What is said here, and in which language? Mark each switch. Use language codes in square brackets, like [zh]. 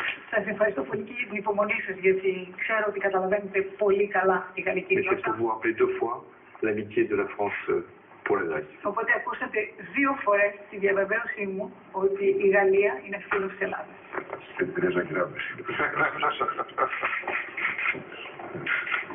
[el] Σας ευχαριστώ πολύ και για την υπομονή σας, γιατί ξέρω ότι καταλαβαίνετε πολύ καλά τη γαλλική γλώσσα. [fr] Mais c'est pour vous rappeler deux fois l'amitié de la France pour l'Allemagne. [el] Οπότε ακούσατε δύο φορές τη διαβεβαίωσή μου ότι η Γαλλία είναι φίλος της Ελλάδας. [fr] C'est très agréable, monsieur le Président.